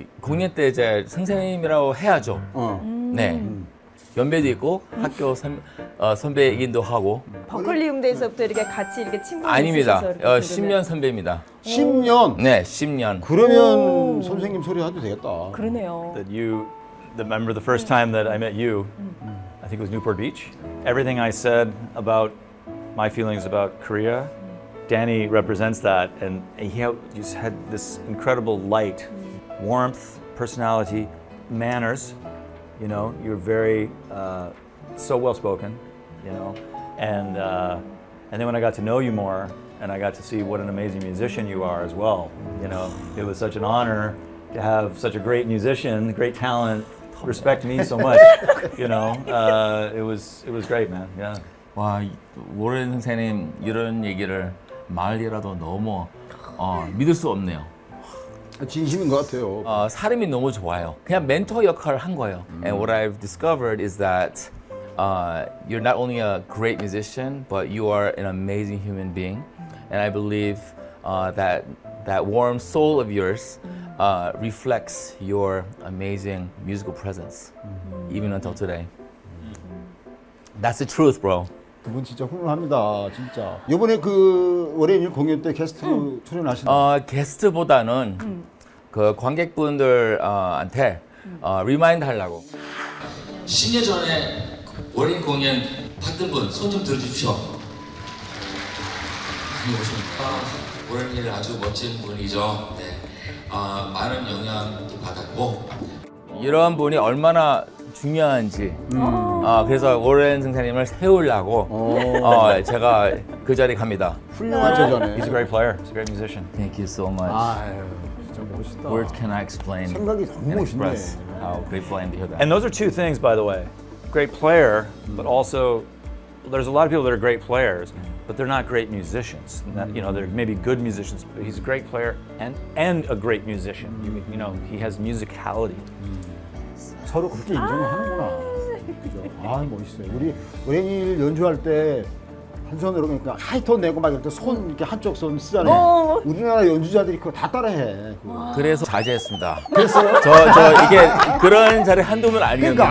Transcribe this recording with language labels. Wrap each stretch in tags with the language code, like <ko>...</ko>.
<ko>공연 때 이제 선생님이라고 해야죠. 연배도 있고 학교 선배이기도 하고 버클리 음대에서부터 이렇게 같이 이렇게 친분이 아닙니다. 있으셔서 아닙니다. 10년 선배입니다. 10년? 네, 10년. 그러면 선생님 소리 하도 되겠다. 그러네요.</ko> <en>That you, the member the first time that I met you, I think it was Newport Beach. Everything I said about my feelings about Korea, Danny represents that and he just had this incredible light, warmth, personality, manners. You know, you're very so well-spoken, you know, and then when I got to know you more and I got to see what an amazing musician you are as well, you know, it was such an honor to have such a great musician, great talent, respect me so much, you know, it was great, man. Yeah.</en> <ko>와, 워렌 선생님 이런 얘기를 말이라도 너무 믿을 수 없네요. 진심인 것 같아요. 사람이 너무 좋아요. 그냥 멘토 역할을 한 거예요.</ko> <en>And what I've discovered is that you're not only a great musician, but you are an amazing human being. And I believe that warm soul of yours reflects your amazing musical presence, even until today. That's the truth, bro.</en> <ko>그분 진짜 훌륭합니다, 진짜. 이번에 그 워렌 힐 공연 때 게스트로 출연하신. 게스트보다는 그 관객분들한테 리마인드 하려고. 10년 전에 워렌 공연 봤던 분 손 좀 들어주십시오. 많이 오십니까? 워렌 힐 아주 멋진 분이죠. 네. 많은 영향도 받았고. 이런 분이 얼마나 중요한지 그래서 워렌 선생님을 세우려고 제가 그 자리 갑니다. 훌륭한 재전에.</ko> <en>He's a great player. He's a great musician. Thank you so much.</en> <ko>아유, 진짜 멋있다.</ko> <en>Words cannot explain.</en> <ko>생각이 너무 멋있네.</ko> <en>how grateful I am to hear that. And those are two things, by the way. Great player, mm-hmm. but also there's a lot of people that are great players, mm-hmm. but they're not great musicians. Mm-hmm. You know, they're maybe good musicians, but he's a great player and a great musician. Mm-hmm. You know, he has musicality. Mm-hmm.</en> <ko>서로 그렇게 인정을 하는구나. 그죠? 아, 멋있어요. 우리 웬일 연주할 때 한 손으로 그러니까 하이톤 내고 막 이럴 때 손 이렇게 한쪽 손 쓰잖아요. 우리나라 연주자들이 그걸 다 따라해. 그래서 자제했습니다. 그랬어요? 저 이게 그런 자리 한두 번 아니었는데.</ko>